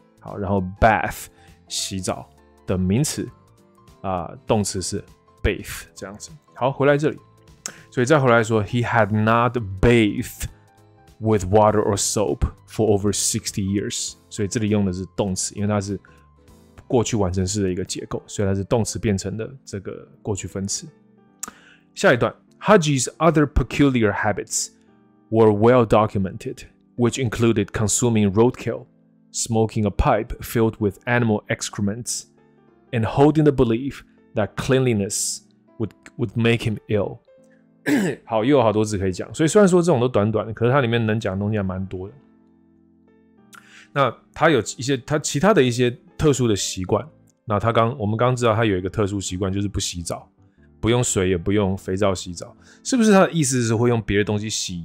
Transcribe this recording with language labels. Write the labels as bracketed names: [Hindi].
[Chinese] 好，然后 bath 洗澡的名词啊，动词是 bathe 这样子。好，回来这里，所以再回来说 [English] ，He had not bathed with water or soap for over 60 years. [Chinese] 所以这里用的是动词，因为它是。过去完成式的一个结构，所以它是动词变成的这个过去分词。下一段 [English] ，Haji's other peculiar habits were well documented, which included consuming roadkill, smoking a pipe filled with animal excrements, and holding the belief that cleanliness would make him ill. [Chinese] 好，又有好多字可以讲，所以虽然说这种都短短的，可是它里面能讲的东西还蛮多的。那他有一些他其他的一些。特殊的习惯，那我们刚知道他有一个特殊习惯，就是不洗澡，不用水也不用肥皂洗澡，是不是他的意思是会用别的东西洗？